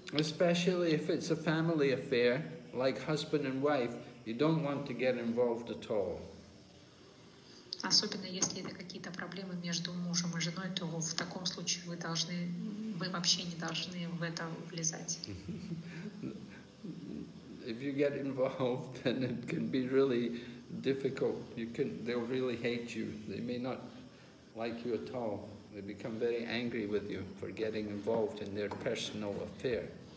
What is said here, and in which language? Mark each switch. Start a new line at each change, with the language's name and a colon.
English: Especially if it's a family affair, like husband and wife, you don't want to get involved at all.
Russian: Особенно если это какие-то проблемы между мужем и женой, то в таком случае вы вообще не должны в это влезать.
English: If you get involved, then it can be really difficult. They'll really hate you. They may not like you at all. They become very angry with you for getting involved in their personal affair.